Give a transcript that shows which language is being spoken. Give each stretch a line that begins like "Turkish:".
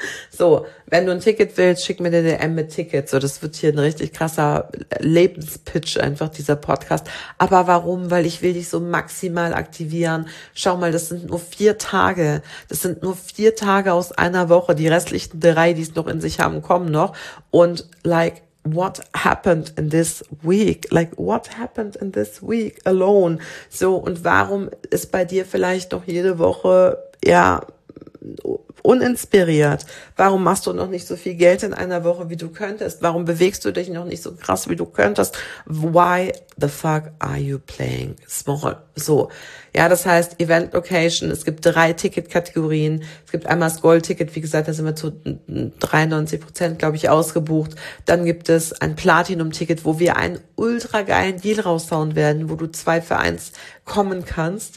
German: So, wenn du ein Ticket willst, schick mir eine DM mit Tickets. So, das wird hier ein richtig krasser Lebenspitch, einfach dieser Podcast. Aber warum? Weil ich will dich so maximal aktivieren. Schau mal, das sind nur 4 Tage. Das sind nur 4 Tage aus einer Woche. Die restlichen drei, die es noch in sich haben, kommen noch.
English: Und like, what happened in this week? Like, what happened in this week alone?
German: So, und warum ist bei dir vielleicht noch jede Woche, ja, uninspiriert? Warum machst du noch nicht so viel Geld in einer Woche, wie du könntest? Warum bewegst du dich noch nicht so krass, wie du könntest?
English: Why the fuck are you playing small?
German: So, ja, das heißt Event Location. Es gibt drei Ticketkategorien. Es gibt einmal das Gold-Ticket. Wie gesagt, da sind wir zu 93%, glaube ich, ausgebucht. Dann gibt es ein Platinum-Ticket, wo wir einen ultra geilen Deal raushauen werden, wo du 2 für 1 kommen kannst.